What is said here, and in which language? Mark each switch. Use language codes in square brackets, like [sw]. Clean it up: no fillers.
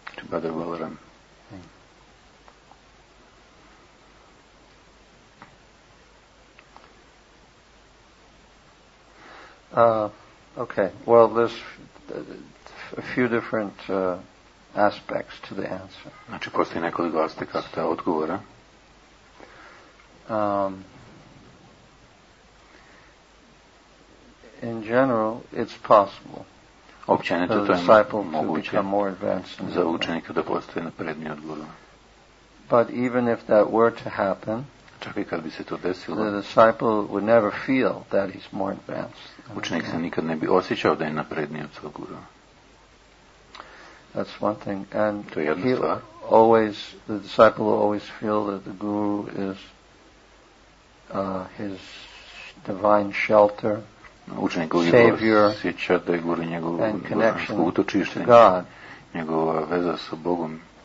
[en] Badr Balaram. Okay, well, there's a few different aspects to the answer. [hr] Znači, postoji nekoliko aspekata odgovora. [en] In general, it's possible [hr] Općenito, [en] for the disciple to become more advanced. [hr] Za učenika da postoji napredniji od guru. [en] But even if that were to happen, [hr] čak i kad bi se to desilo, [en] the disciple would never feel that he's more advanced. [hr] Učenik se nikad ne bi osjećao da je napredniji od svog guru. [en] That's one thing. And [hr] to je jedna stvar. [en] Always, the disciple will always feel that the guru is his divine shelter. [hr] Učenik uvijek osjeća da je guru njegov utočište, njegova veza sa Bogom.